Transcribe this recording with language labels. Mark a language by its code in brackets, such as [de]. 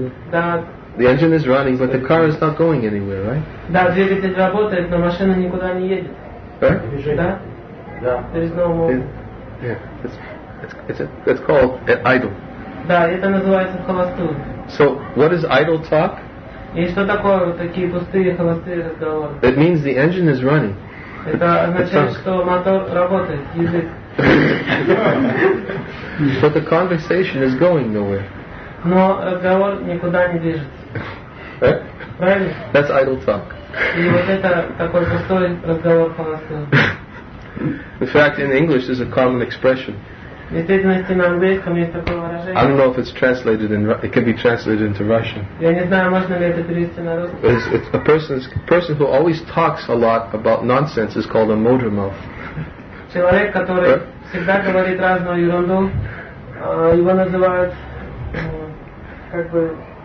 [en] The engine is running, but the car is not going anywhere, right? [ru] Да, двигатель работает, но машина никуда не едет. [en] Right? [ru] Да? Да. [en] There is no movement. Yeah, it's called an idle. [ru] Да, это называется холостую. [en] So, what is idle talk? [ru] И что такое вот такие пустые холостые разговоры? [en] It means the engine is running. [ru] Это означает, что мотор работает, язык. [en] But the conversation is going nowhere. [ru] Но разговор никуда не движется. Правильно? [en] That's idle talk. [ru] И вот это такой пустой разговор холостой. [en] In fact, in English, there's a common expression. [ru] Действительности на английском есть такое выражение. [en] I don't know if it's translated in. It can be translated into Russian. [ru] Я не знаю, можно ли это перевести на русский. [en] It's a person who always talks a lot about nonsense is called a motor mouth. [ru] Человек, который всегда говорит разную ерунду, его называют как бы.